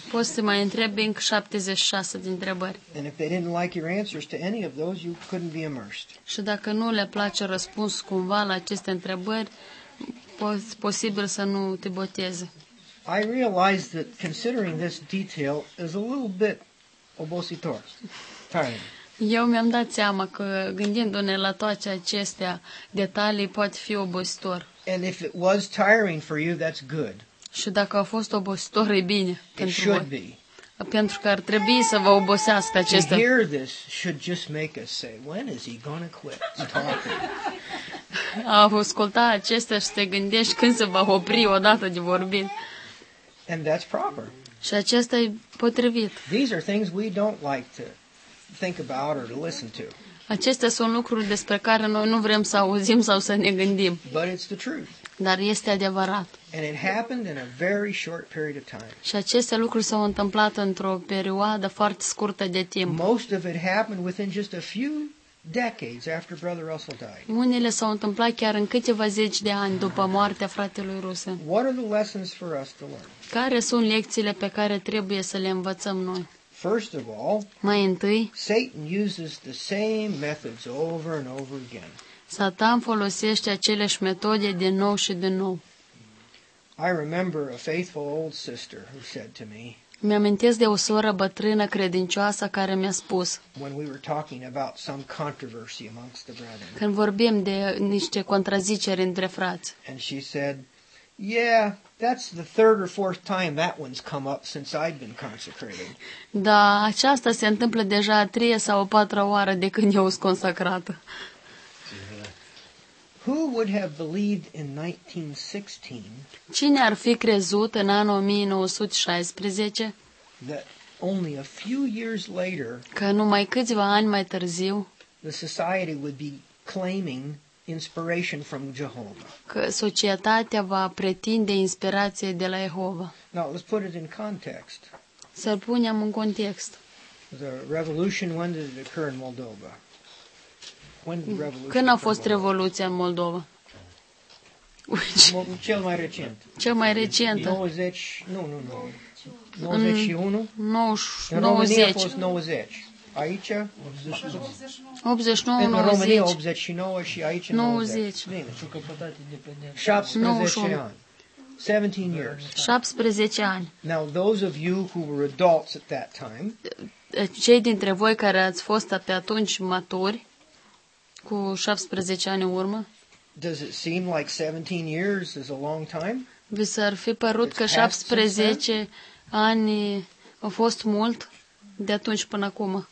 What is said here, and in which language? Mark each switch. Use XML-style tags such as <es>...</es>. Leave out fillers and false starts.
<ro>Poți să mai întrebi încă 76 de întrebări.</ro> <en>And if they didn't like your answers to any of those, you couldn't be immersed.</en> <ro>Și dacă nu le place răspuns cumva la aceste întrebări, posibil să nu te boteze.</ro> <en>I realize that considering this detail is a little bit</en> <ro>obositor. Eu mi-am dat seama că gândindu-ne la toate acestea detalii poate fi obositor.</ro> <en>And if it was tiring for you, that's good.</en> <ro>Și dacă a fost obositor, e bine pentru</ro> <en>it should be.</en> <ro>Pentru că ar trebui să vă obosească acestea.</ro> <en>To hear this should just make us say, when is he gonna quit talking?</en> <ro>A asculta acestea și te gândești când se va opri odată de vorbit.</ro> <en>And that's proper.</en> <ro>Și acesta e potrivit.</ro> <en>These are things we don't like to think about or to listen to.</en> <ro>Acestea sunt lucruri despre care noi nu vrem să auzim sau să ne gândim.</ro> <en>But it's the truth.</en> <ro>Dar este adevărat.</ro> <en>And it happened in a very short period of time.</en> <ro>Și aceste lucruri s-au întâmplat într-o perioadă foarte scurtă de timp.</ro> <en>Most of it happened within just a few decades after Brother Russell died.</en> <ro>Unele s-au întâmplat chiar în câteva zeci de ani după moartea fratelui Russell.</ro> <en>What are the lessons for us to learn?</en> <ro>Care sunt lecțiile pe care trebuie să le învățăm noi?</ro> <en>First of all,</en> <ro>mai întâi,</ro> <en>Satan uses the same methods over and over again.</en> <ro>Satan folosește aceleași metode din nou și din nou.</ro> <en>I remember a faithful old sister who said to me.</en> <ro>Mi-amintesc de o soră bătrână credincioasă care mi-a spus.</ro> <en>When we were talking about some controversy amongst the brethren.</en> <ro>Când vorbim de niște contraziceri între frați.</ro> <en>And she said, "Yeah, that's the third or fourth time that one's come up since I've been consecrated."</en> <ro>Da, aceasta se întâmplă deja a treia sau a patra oară de când eu sunt consacrată.</ro> <en>Who would have believed in 1916?</en> <ro>Cine ar fi crezut în anul 1916?</ro> <en>That only a few years later.</en> <ro>Că numai câțiva ani mai târziu.</ro> <en>The society would be claiming inspiration from Jehovah.</en> <ro>Că societatea va pretinde inspirație de la Jehova.</ro> <en>Now let's put it in context.</en> <ro>Să-l punem în context.</ro> <en>The revolution, when did it occur in Moldova?</en> <ro>Când a fost revoluția în Moldova? Cel mai recent. Cel mai recent. 90, nu. 91? 90. În România a fost 90. Aici? 89. În România 89 și aici 90. Bine. 17 ani.</ro> <en>17 years.</en> <ro>17 ani.</ro> <en>Now those of you who were adults at that time.</en> <ro>Cei dintre voi care ați fost pe atunci maturi, cu 17 ani în urmă?</ro> <en>Does it seem like 17 years is a long time?</en> <ro>Vi s-ar fi părut că 17 ani au fost mult de atunci până acum?</ro>